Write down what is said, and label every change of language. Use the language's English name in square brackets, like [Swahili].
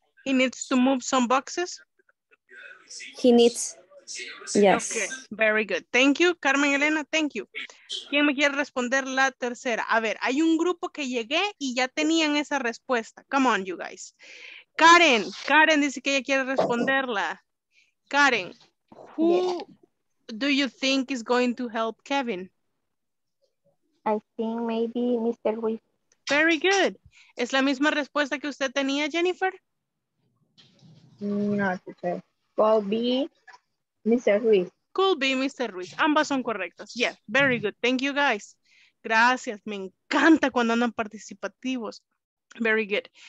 [English] He needs to move some boxes? He needs. Yes. Okay, very good. Thank you, Carmen Elena. Thank you. [Spanish] ¿Quién me quiere responder la tercera? A ver, hay un grupo que llegué y ya tenían esa respuesta. [English] Come on, you guys. [Spanish] Karen. Karen dice que ella quiere responderla. [English] Karen, who do you think is going to help Kevin? I think maybe Mr. Ruiz. Very good. [Spanish] ¿Es la misma respuesta que usted tenía, Jennifer? [English] No, teacher. Could be Mr. Ruiz. Could be Mr. Ruiz. [Spanish] Ambas son correctas. [English] Yes, yeah, very good. Thank you, guys. Gracias. [Spanish] Me encanta cuando andan participativos. [English] Very good.